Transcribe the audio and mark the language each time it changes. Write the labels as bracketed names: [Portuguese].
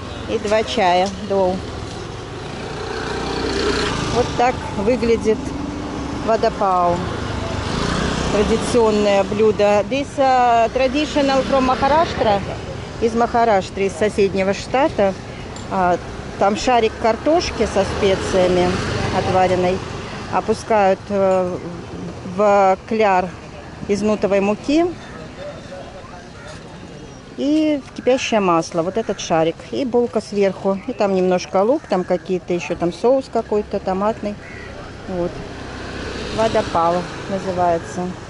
[Russian] И два чая, доу. Вот так выглядит водопао. Традиционное блюдо. [English] This traditional from Maharashtra. [Russian] Из Махараштры, из соседнего штата. Там шарик картошки со специями отваренной. Опускают в кляр из нутовой муки. И кипящее масло, вот этот шарик, и булка сверху, и там немножко лук, там какие-то еще, там соус какой-то томатный, вот, водопао называется.